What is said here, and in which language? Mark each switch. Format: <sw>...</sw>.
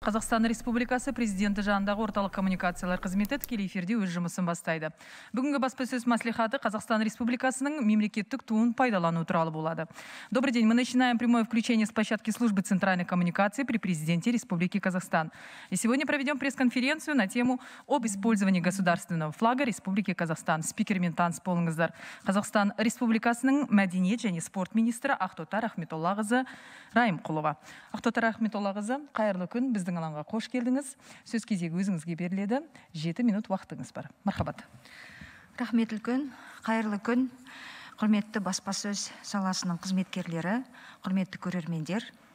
<kk>Қазақстан Республикасы президенті жанындағы орталық коммуникациялар қызметі тікелей эфирде өз жұмысын бастайды. Бүгінгі баспасөз мәслихаты Қазақстан Республикасының мемлекеттік туын пайдалану туралы болады.</kk> <ru>Добрый день, мы начинаем прямое включение с площадки службы центральной коммуникации при президенте Республики Казахстан. И сегодня проведем пресс-конференцию на тему об использовании государственного флага Республики Казахстан.</ru> <kk>Спикер Ментанс Полыңыздар. Қазақстан Республикасының мәдениет және спорт министрі Ақтотар Ахметоллағызы Райымқұлова. Ақтотар Ахметоллағызы, қайырлы күн. Біздің алаңға қош келдіңіз. Сөз кезегі өзіңізге беріледі. 7 минут уақытыңыз бар. Мархабат. Рахмет үлкен, қайырлы күн. Құрметті баспасөз саласының қызметкерлері, құрметті көрермендер.</kk>